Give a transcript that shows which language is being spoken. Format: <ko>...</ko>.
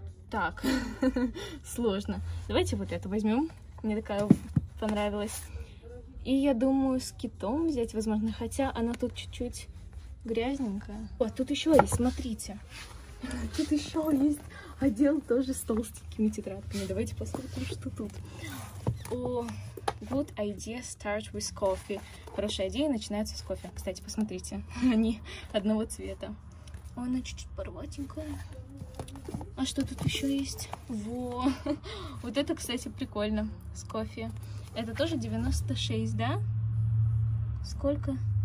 <ru>Так, сложно. Давайте вот эту возьмем. Мне такая понравилась. И я думаю, с китом взять, возможно. Хотя она тут чуть-чуть грязненькая. О, тут еще есть, смотрите. Тут еще есть отдел тоже с толстенькими тетрадками. Давайте посмотрим, что тут.</ru> <en>О, good idea start with coffee.</en> <ru>Хорошая идея начинается с кофе. Кстати, посмотрите, они одного цвета. Она чуть-чуть порватенькая. А что тут еще есть? Во! Вот это, кстати, прикольно. С кофе. Это тоже 96, да? Сколько?</ru>